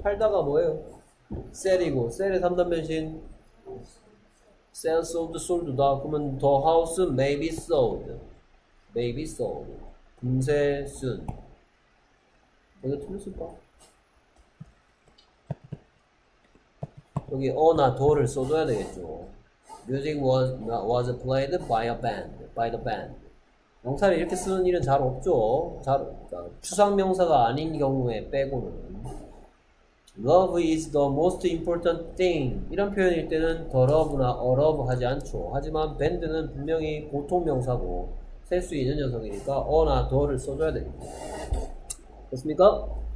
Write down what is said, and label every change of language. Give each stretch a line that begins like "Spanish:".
Korean: 팔다가 뭐예요? sell이고 sell의 3단변신 sell sold sold다. 그러면
English: the house may be sold
Korean: 금세 soon. 이거 틀렸을까? 여기 어나 도를 써줘야 되겠죠.
English: Music was played by a band, by the band.
Korean: 명사를 이렇게 쓰는 일은 잘 없죠. 잘 추상 명사가 아닌 경우에 빼고는
English: Love is the most important thing.
Korean: 이런 표현일 때는 the love나 a love 하지 않죠. 하지만 band는 분명히 보통 명사고 셀수 있는 녀석이니까 어나 도를 써줘야 되겠죠. 됐습니까?